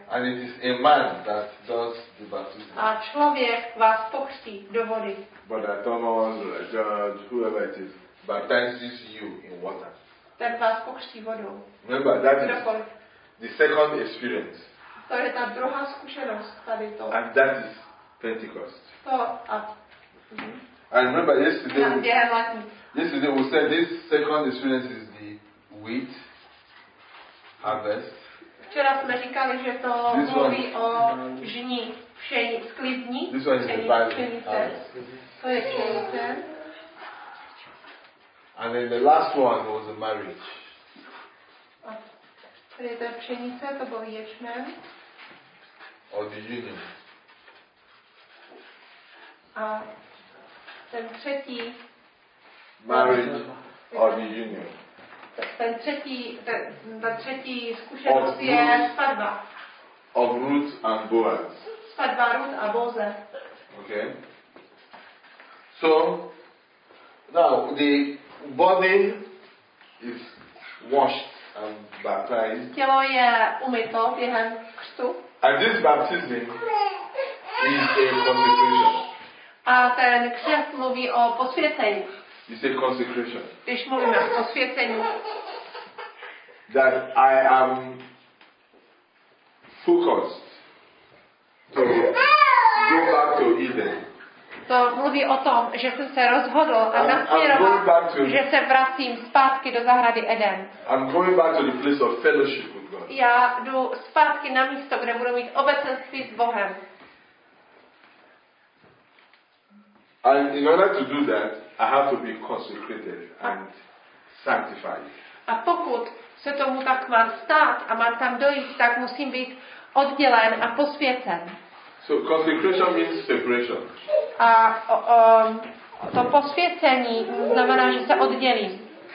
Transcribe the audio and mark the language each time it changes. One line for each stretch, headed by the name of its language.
English: And it is a man that does the baptism.
Czech: A člověk vás pokřtí do vody.
English: But that Thomas, George, whoever it is, baptizes you in water.
Czech: Ten vás pokřtí vodou.
English: Remember, that is the second experience.
Czech: To je ta druhá zkušenost tady to.
English: And that is Pentecost.
Czech: To a
English: I remember yesterday we said this second experience is the wheat harvest.
Czech: Včera jsme říkali, že to mluví o žní, pšení, sklizní.
English: This one is the barley harvest.
Czech: To je pšenice.
English: And then the last one was the marriage.
Czech: Tady je ta pšenice, to byl ječmen.
English: Or the union.
Czech: A ten třetí
English: marriage or the union.
Czech: Ten třetí zkušenost je svatba.
English: Of Ruth and Boaz.
Czech: Svatba Ruth a Boze.
English: Okay. So now the body is washed and baptized.
Czech: Tělo je umyto během křtu.
English: And this baptism is a consecration.
Czech: A ten křest mluví o posvěcení.
English: You say consecration.
Czech: Když mluvíme o posvěcení.
English: That I am focused to go back to Eden.
Czech: To mluví o tom, že jsem se rozhodl a nasměroval, že se vracím zpátky do zahrady Eden.
English: I'm going back to the place of fellowship with God.
Czech: Já jdu zpátky na místo, kde budu mít obecenství s Bohem.
English: And in order to do that, I have to be consecrated and sanctified.
Czech: A pokud se tomu tak mám stát a mám tam dojít, tak musím být oddělen a posvěcen.
English: So consecration means separation.
Czech: A to posvěcení znamená, že se oddělím.